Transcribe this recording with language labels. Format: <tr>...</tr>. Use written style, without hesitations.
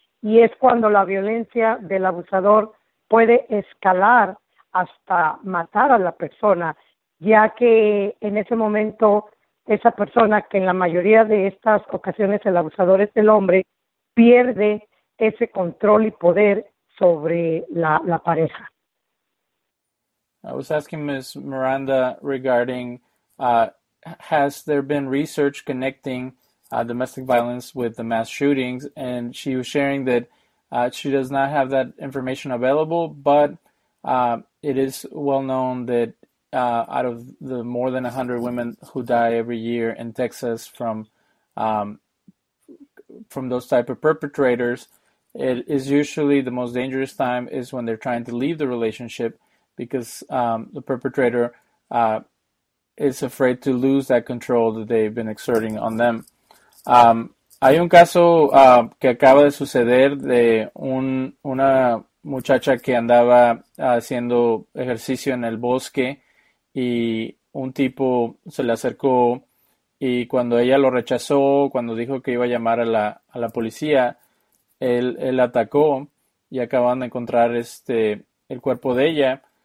<es>Y es cuando la violencia del abusador puede escalar hasta matar a la persona, ya que en ese momento esa persona, que en la mayoría de estas ocasiones el abusador es el hombre, pierde ese control y poder sobre la pareja.</es> <en>I was asking Ms. Miranda regarding, has there been research connecting domestic violence with the mass shootings? And she was sharing that she does not have that information available, but it is well known that out of the more than 100 women who die every year in Texas from those type of perpetrators, it is usually the most dangerous time is when they're trying to leave the relationship because the perpetrator is afraid to lose that control that they've been exerting on them.</en> <es>Hay un caso que acaba de suceder de una muchacha que andaba haciendo ejercicio en el bosque y un tipo se le acercó y cuando ella lo rechazó, cuando dijo que iba a llamar a la policía, él atacó y acaban de encontrar el cuerpo de ella.</es>